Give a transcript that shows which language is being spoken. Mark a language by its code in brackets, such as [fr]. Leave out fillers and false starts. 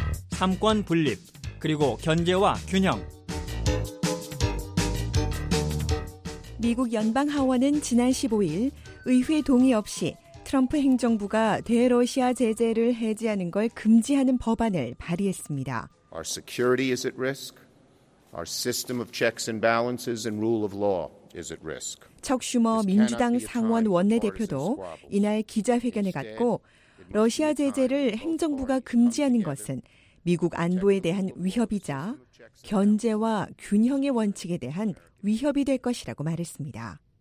[ko] 삼권 분립, 그리고 견제와 균형. 미국 연방 하원은 지난 15일 의회 동의 없이 트럼프 행정부가 대러시아 제재를 해제하는 걸 금지하는 법안을 발의했습니다. [en] Our security is at risk. Our system of checks and balances and rule of law is at risk. [ko] 척 슈머 민주당 상원 원내대표도 이날 기자회견을 갖고 러시아 제재를 행정부가 금지하는 것은 미국 안보에 대한 위협이자 견제와 균형의 원칙에 대한 위협이 될 것이라고 말했습니다.